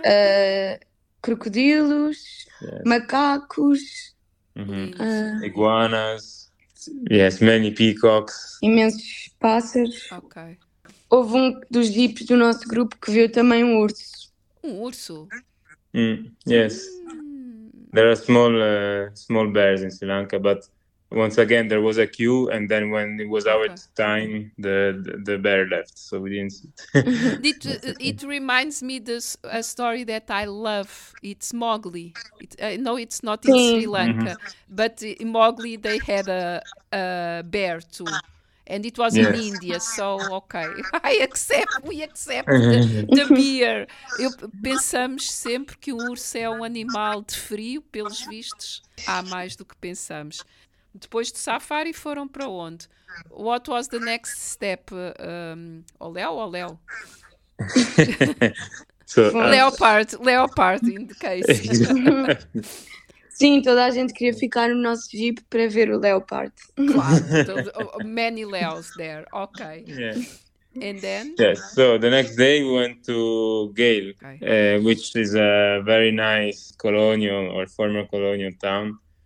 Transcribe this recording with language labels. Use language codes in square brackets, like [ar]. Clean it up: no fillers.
[pt] Sim, crocodilos, macacos, [en] iguanas. Yes, many peacocks. [pt] Imensos pássaros. Ok. Houve um dos jeeps do nosso grupo que viu também um urso. Um urso? [en] Yes. There are small bears in Sri Lanka, but once again, there was a queue, and then when it was our time, the bear left, so we didn't see it. It reminds me a story that I love. It's Mowgli. No, it's not in Sri Lanka, but in Mowgli, they had a bear too. And it was in India, so okay. We accept the bear. [pt] Pensamos sempre que o urso é um animal de frio, pelos vistos, há mais do que pensamos. Depois do safari foram para onde? [en] What was the next step? [pt] Léo? [en] So, Leopard in the case. [pt] Sim, toda a gente queria ficar no nosso jeep para ver o leopard. [en] Claro, many leos there, ok. Yeah. And then? Yes, so the next day we went to Gale, which is a very nice colonial or former colonial town.